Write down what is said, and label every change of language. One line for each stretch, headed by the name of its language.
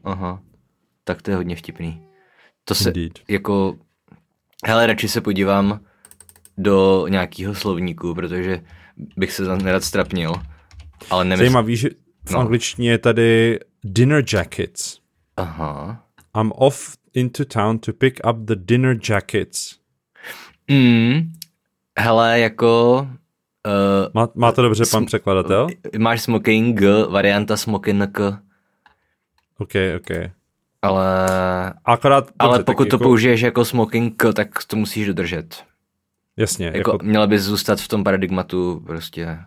Czech: Aha. Tak to je hodně vtipný. To se indeed. Jako... Hele, radši se podívám do nějakého slovníku, protože bych se nerad strapnil. Ale nemysl... Zajímavý, že... V angličtině je tady dinner jackets. Aha.
English: I'm off into town to pick up the dinner jackets.
Czech: Hele, jako... Má to dobře pan překladatel? Máš smoking, varianta smoking. Ok. Ale... Akorát, dobře, ale pokud to jako... použiješ jako smoking, tak to musíš dodržet. Jasně. Jako... Měla bys zůstat v tom paradigmatu prostě.